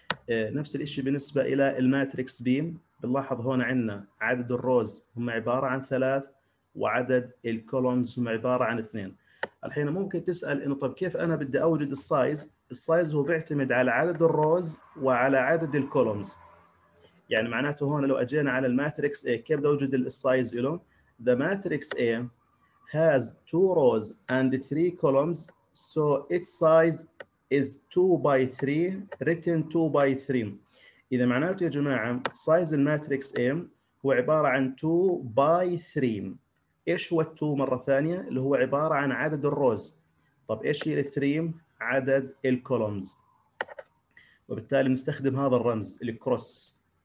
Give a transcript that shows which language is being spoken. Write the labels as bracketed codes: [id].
[ar] نفس الشيء بالنسبة إلى الماتريكس B، بنلاحظ هون عندنا عدد الروز هم عبارة عن ثلاث وعدد الكولومز هم عبارة عن اثنين. الحين ممكن تسأل إنه طب كيف أنا بدي أوجد السايز؟ السايز هو بيعتمد على عدد الروز وعلى عدد الكولومز. يعني معناته هون لو أجينا على الماتريكس A كيف أوجد السايز له؟ [en] The matrix A has two rows and three columns, so its size is 2 by 3, written 2 by 3. [ar] إذا معناته يا جماعة سايز الماتريكس A هو عبارة عن 2 by 3. إيش هو 2 مرة ثانية؟ اللي هو عبارة عن عدد الروز. طب إيش هي 3؟ عدد الكولومز. وبالتالي نستخدم هذا الرمز الكروس.